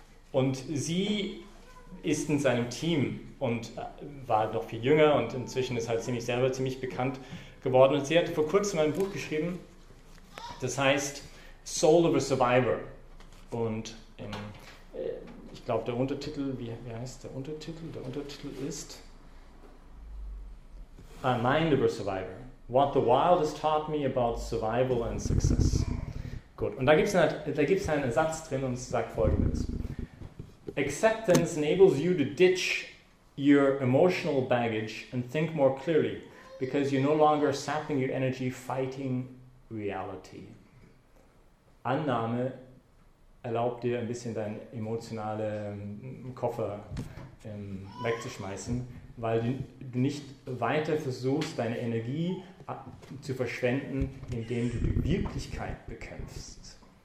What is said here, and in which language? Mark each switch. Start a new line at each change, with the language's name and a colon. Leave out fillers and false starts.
German: Und sie ist in seinem Team und war noch viel jünger und inzwischen ist halt ziemlich bekannt geworden. Und sie hat vor kurzem ein Buch geschrieben, das heißt Soul of a Survivor. Und ich glaube, der Untertitel, wie heißt der Untertitel? Der Untertitel ist A Mind of a Survivor.
English: What the Wild has Taught Me About Survival and Success.
German: Gut, und da gibt's einen Satz drin und sagt Folgendes.
English: Acceptance enables you to ditch your emotional baggage and think more clearly because you're no longer sapping your energy fighting reality.
German: Annahme erlaubt dir, ein bisschen deinen emotionalen Koffer wegzuschmeißen, weil du nicht weiter versuchst, deine Energie zu verschwenden, indem du die Wirklichkeit bekämpfst.